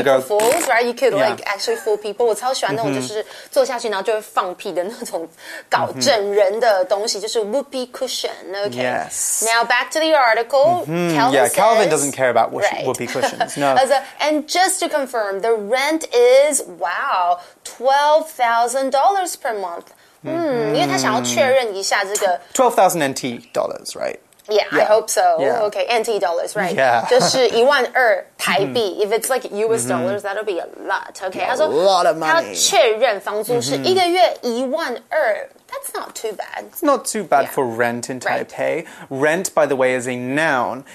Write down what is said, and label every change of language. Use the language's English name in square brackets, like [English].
[English] April Fools, right? You could、like actually fool people [Chinese] 我超喜欢那种就是坐下去然后就会放屁的那种搞整人的东西就是 whoopee cushion, okay? [English] Yes. Now back to the article, Calvin doesn't care about whoopee cushions, no. And just to confirm, the rent is, wow, $12,000 per month. [Chinese] 因为他想要确认一下这个 [English] $12,000 NT, right? Yeah, I hope so. Yeah. Okay, NT dollars, right? Yeah. [Chinese] 就是一万二台币 [English] If it's like US dollars, that'll be a lot. Okay, a lot of money. [Chinese] 他确认房租是一个月一万二 [English] That's not too bad. It's not too bad for rent in Taipei. Rent, by the way, is a noun.